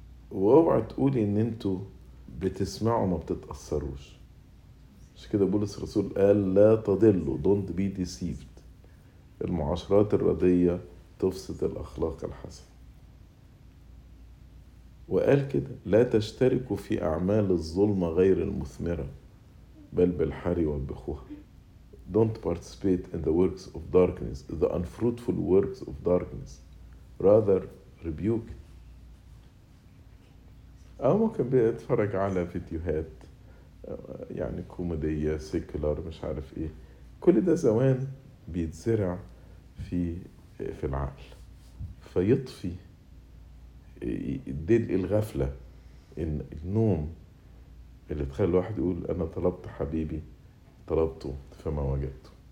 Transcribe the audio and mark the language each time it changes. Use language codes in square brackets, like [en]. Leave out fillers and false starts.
[ar] واوعى تقولي ان انتوا بتسمعوا ما بتتأثروش، مش كده بولس الرسول قال لا تضلوا [en] don't be deceived، [ar] المعاشرات الرضية تفسد الأخلاق الحسنة، وقال كده لا تشتركوا في أعمال الظلمة غير المثمرة بل بالحري والبخوها. [en] don't participate in the works of darkness, the unfruitful works of darkness, rather rebuke. [ar] أو ممكن بيتفرج على فيديوهات يعني كوميدية سيكولار مش عارف إيه، كل ده زوان بيتزرع في العقل، فيطفي دلء الغفلة، إن النوم اللي تخلي الواحد يقول أنا طلبت حبيبي طلبته فما وجدته.